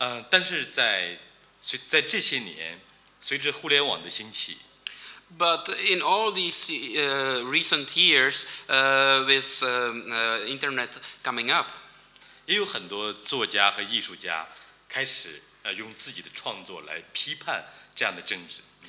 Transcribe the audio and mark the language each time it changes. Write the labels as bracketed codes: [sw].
[zh] 但是在这些年随着互联网的兴起, [en] But in all these recent years, with internet coming up, [zh] 也有很多作家和艺术家开始, 用自己的创作来批判这样的政治。